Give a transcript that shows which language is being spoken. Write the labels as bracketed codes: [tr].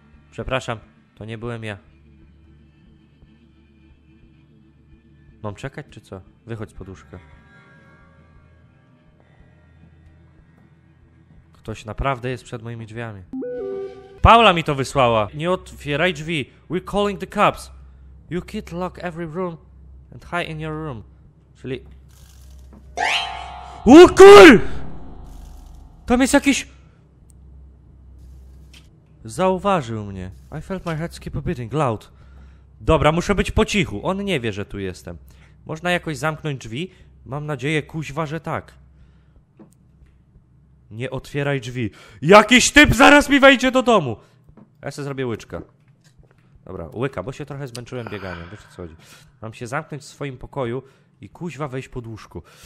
[pl] Przepraszam, to nie byłem ja. Mam czekać, czy co? Wychodź z pod łóżka. Ktoś naprawdę jest przed moimi drzwiami. Paula mi to wysłała! Nie otwieraj drzwi! [en] We're calling the cops! You kid lock every room and hide in your room. Czyli... [pl] O kur! Tam jest jakiś... Zauważył mnie. [en] I felt my heart skip a beating loud. [pl] Dobra, muszę być po cichu. On nie wie, że tu jestem. Można jakoś zamknąć drzwi? Mam nadzieję, kuźwa, że tak. Nie otwieraj drzwi. Jakiś typ zaraz mi wejdzie do domu! Ja sobie zrobię łyczka. Dobra, łyka, bo się trochę zmęczyłem bieganiem. Wiesz, o co chodzi. Mam się zamknąć w swoim pokoju i kuźwa wejść pod łóżko.